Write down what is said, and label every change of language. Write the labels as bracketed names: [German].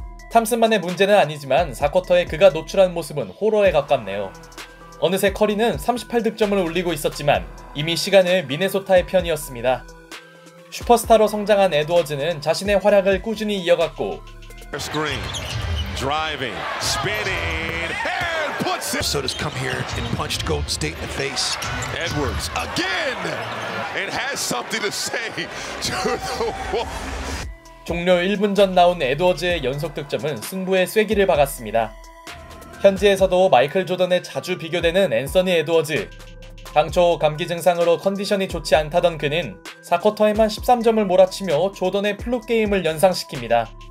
[Korean] 탐슨만의 문제는 아니지만 4쿼터에 그가 노출한 모습은 호러에 가깝네요. 어느새 커리는 38득점을 올리고 있었지만 이미 시간은 미네소타의 편이었습니다. 슈퍼스타로 성장한 에드워즈는 자신의 활약을 꾸준히 이어갔고 스크린, 드라이빙, 스피닝, [English] and puts it. So it has come here and punched Golden State in the face. Edwards again. It has something to say to the world. [Korean] 종료 1분 전 나온 에드워즈의 연속 득점은 승부의 쐐기를 박았습니다. 현지에서도 마이클 조던에 자주 비교되는 앤서니 에드워즈. 당초 감기 증상으로 컨디션이 좋지 않다던 그는 4쿼터에만 13점을 몰아치며 조던의 플루 게임을 연상시킵니다.